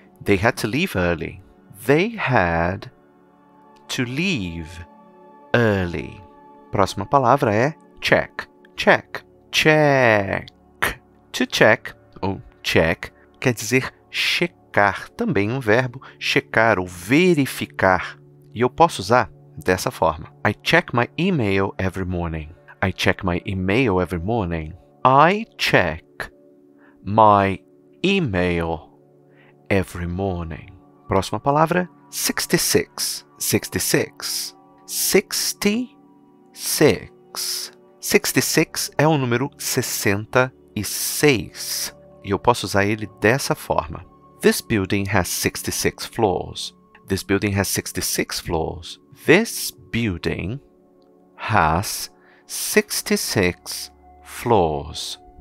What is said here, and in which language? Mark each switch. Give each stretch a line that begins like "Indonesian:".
English: They had to leave early. They had to leave early.
Portuguese: Próxima palavra é check. Check. Check. To check, ou check, quer dizer checar. Também um verbo checar ou verificar. E eu posso usar dessa forma.
English: I check my email every morning. I check my email every morning. I check my email every morning.
Portuguese: Próxima palavra, 66. 66. 66. 66 é o número 66. E eu posso usar ele dessa forma.
English: This building has 66 floors. This building has 66 floors. This building has 66 floors.